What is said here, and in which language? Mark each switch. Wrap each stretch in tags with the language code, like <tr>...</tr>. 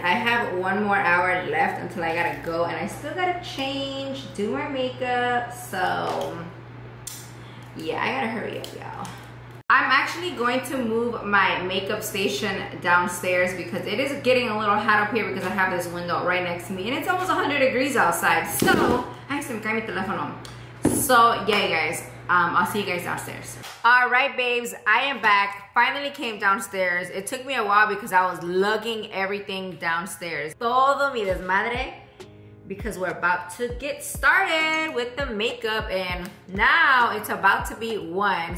<en>I have 1 more hour left until I gotta go and I still gotta change, do my makeup. So yeah, I gotta hurry up, y'all. I'm actually going to move my makeup station downstairs because it is getting a little hot up here because I have this window right next to me and it's almost 100 degrees outside.</en> <es>So, ay, se me cae mi teléfono.</es> <en>So yeah, you guys, I'll see you guys downstairs. All right, babes, I am back. Finally came downstairs. It took me a while because I was lugging everything downstairs.</en> <es>Todo mi desmadre,</es> <en>because we're about to get started with the makeup and now it's about to be 1.</en>